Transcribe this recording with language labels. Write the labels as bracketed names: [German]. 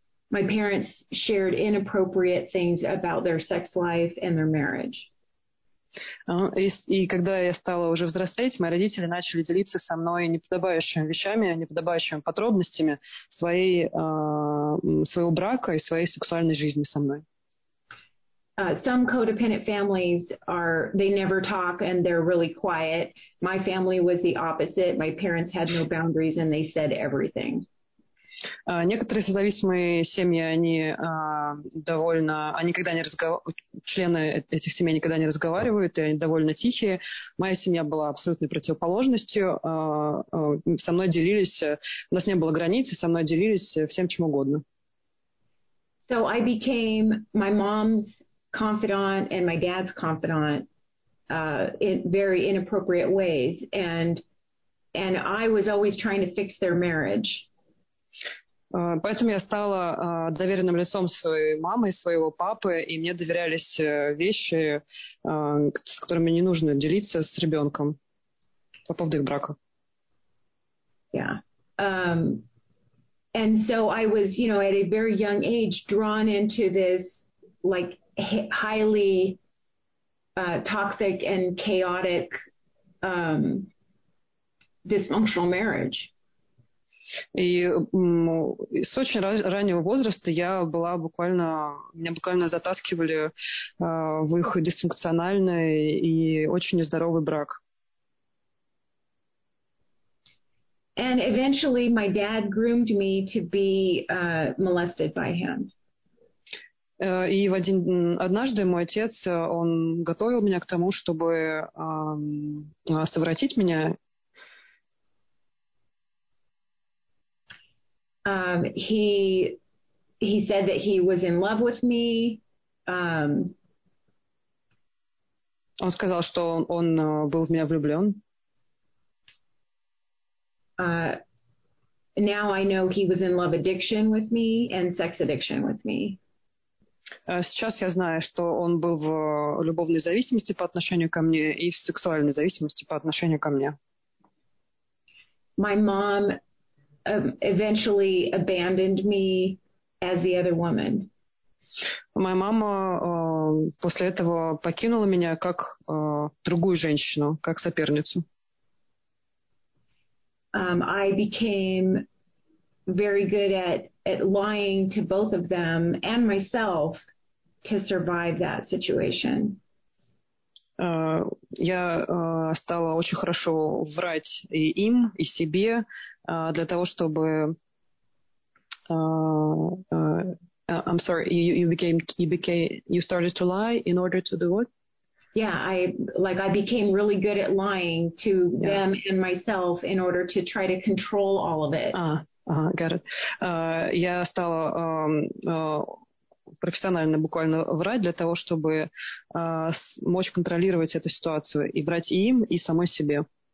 [English] My parents shared inappropriate things about their sex life and their marriage. [Russian] И когда я стала уже взрослеть, мои родители начали делиться со мной неподобающими вещами, неподобающими подробностями своей, своего брака и своей сексуальной жизни со мной. [English] Some codependent families are, they never talk and they're really quiet. My family was the opposite. My parents had no boundaries and they said everything. [Russian] Некоторые созависимые семьи, они довольно, они никогда не разговаривают, члены этих семей никогда не разговаривают, и они довольно тихие. Моя семья была абсолютной противоположностью. Со мной делились, у нас не было границы, со мной делились всем чем угодно. [English] So I became my mom's confidant and my dad's confidant in very inappropriate ways, and I was always trying to fix their marriage. [Russian] Поэтому я стала доверенным лицом своей мамы и своего папы, и мне доверялись вещи, с которыми не нужно делиться с ребенком по поводу их брака. [English] Yeah. And so I was, you know, at a very young age drawn into this like highly toxic and chaotic dysfunctional marriage. [Russian] И с очень раннего возраста я была буквально, меня буквально затаскивали в их дисфункциональный и очень нездоровый брак. [English] And eventually my dad groomed me to be molested by him. [Russian] И в один однажды мой отец, он готовил меня к тому, чтобы совратить меня. [English] He said that he was in love with me. [Russian] Он сказал, что он был в меня влюблен. [English] Now I know he was in love addiction with me and sex addiction with me. [Russian] Сейчас я знаю, что он был в любовной зависимости по отношению ко мне и в сексуальной зависимости по отношению ко мне. [English] My mom eventually abandoned me as the other woman. [Russian] Моя мама после этого покинула меня как другую женщину, как соперницу. [English] I became very good at lying to both of them and myself to survive that situation. [Russian] Я стала очень хорошо врать и им, и себе, для того, чтобы... [English] I'm sorry, you started to lie in order to do what? Yeah, I became really good at lying to them and myself in order to try to control all of it. Got it. [Russian] Я стала... профессионально буквально врать для того, чтобы смочь контролировать эту ситуацию и врать и им, и самой себе.